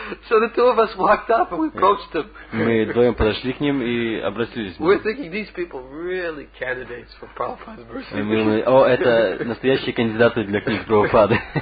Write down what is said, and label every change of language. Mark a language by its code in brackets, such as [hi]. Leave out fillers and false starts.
[en] So the two of us walked up and we approached them. [ru] Мы вдвоем подошли к ним и обратились. [en] We're thinking these people really candidates for Prabhupada's mercy. [ru] Мы думали, о, это настоящие кандидаты для книг Прабхупады.